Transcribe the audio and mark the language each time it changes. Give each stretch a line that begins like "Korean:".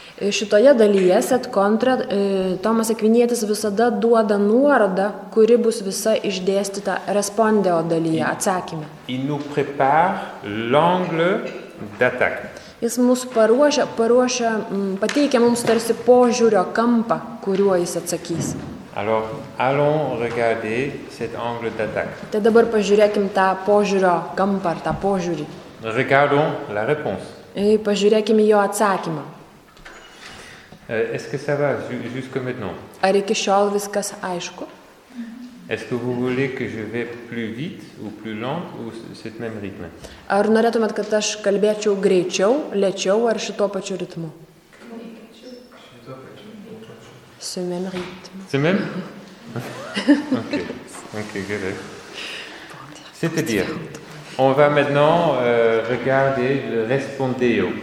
Lithuanian: Šitoje dalyje set contra Tomas Akvinietis visada duoda nuorodą, kuri bus visa išdėstyta respondeo dalyje, atsakyme.
French: Il nous prépare l'angle d'attaque.
Lithuanian: Jis mus paruošia, pateikia mums tarsi požiūrio kampą, kuriuo jis atsakys.
French: Alors, allons regarder cet angle d'attaque.
Lithuanian: Tai dabar pažiūrėkim tą požiūrio kampą, tą požiūrį.
French: Regardons la réponse.
Lithuanian: Et pažiūrėkim jo atsakymą.
French: Est-ce que ça va jusque maintenant?
Lithuanian: Ar iki šiol viskas aišku?
French: Est-ce que vous voulez que je vais plus vite ou plus lent ou cet même rythme?
Lithuanian: Ar norėtumėt, kad aš kalbėčiau greičiau, lėčiau ar šito pačiu ritmu?
French: Ce même rythme. C'est même?
English: OK, good.
French: C'est-à-dire, on va maintenant regarder le respondeo.